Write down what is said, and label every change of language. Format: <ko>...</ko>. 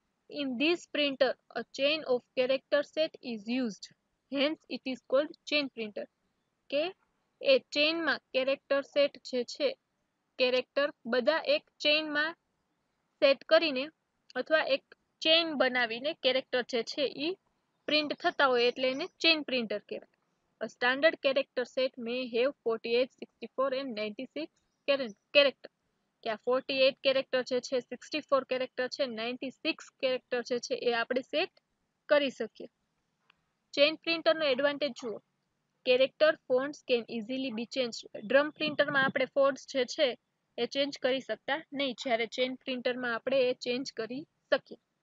<en>In this printer a chain of character set is used, hence it is called chain printer.</en> <gu>કે એ ચેઇનમાં character set જે છે, character બધા એક ચેઇનમાં set કરીને અથવા એક ચેઇન બનાવીને કેરેક્ટર જે છે એ પ્રિન્ટ થતા હોય એટલે એને ચેઇન પ્રિન્ટર કહેવાય।</gu> <en>A standard character set may have 48, 64 and 96 character.</en> <gu>કે આ 48 character છે, 64 character છે, 96 character છે એ આપણે સેટ કરી શકીએ। ચેઇન પ્રિન્ટરનો એડવાન્ટેજ જુઓ,</gu> <en>Character fonts can easily be change.</en> <gu>Drum પ્રિન્ટરમાં આપણે ફોન્ટ્સ જે છે એ ચેન્જ કરી શકતા નહીં, જ્યારે ચેઇન પ્રિન્ટરમાં આપણે એ ચેન્જ કરી શકીએ।</gu>